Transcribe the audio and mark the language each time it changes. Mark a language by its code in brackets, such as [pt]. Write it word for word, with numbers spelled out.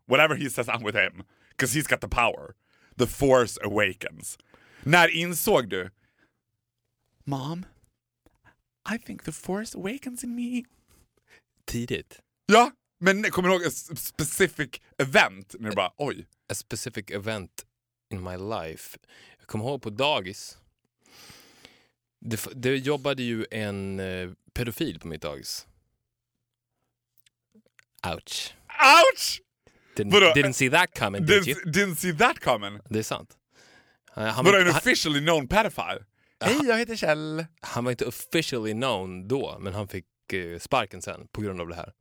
[en] Whatever he says, I'm with him. 'Cause he's got the power. The Force Awakens. [sv] När insåg du? [en] Mom, I think the Force Awakens in me. [sv] Tidigt. Ja, men kommer du ihåg ett [en] specific event? [sv] När du bara, oj. [en] A specific event in my life. [sv] Jag kommer ihåg på dagis. Det, det jobbade ju en pedofil på mitt dagis. [en] Ouch. Ouch! Didn't, But, uh, didn't see that coming, did didn't, you? Didn't see that coming? [sv] Det är sant. Han var en [en] officially known pedophile. [sv] Hej, jag heter Kjell. Han var inte [en] officially known [sv] då, men han fick uh, sparken sen på grund av det här.